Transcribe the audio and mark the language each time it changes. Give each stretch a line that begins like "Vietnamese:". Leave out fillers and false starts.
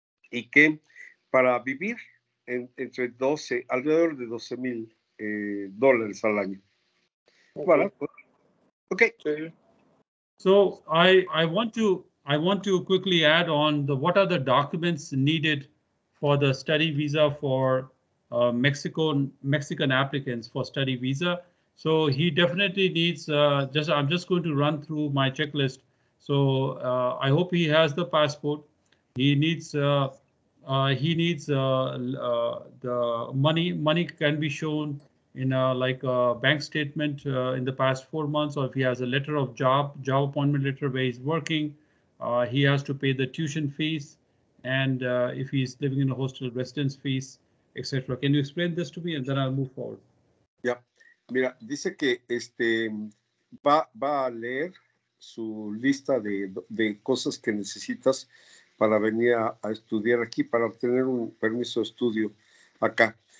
Spanish: Y que para vivir entre alrededor de $12,000 al año.
English: Okay. So I want to quickly add on the what are the documents needed for the study visa for Mexican applicants for study visa. So he definitely needs I'm just going to run through my checklist. So I hope he has the passport. He needs the money can be shown in a bank statement in the past 4 months, or if he has a letter of job appointment letter where he's working, He has to pay the tuition fees, and if he's living in a hostel, residence fees, etc. Can you explain this to me, and then I'll move forward. Yeah.
Spanish: Mira, dice que va a leer su lista de cosas que necesitas para venir a estudiar aquí, para obtener un permiso de estudio acá.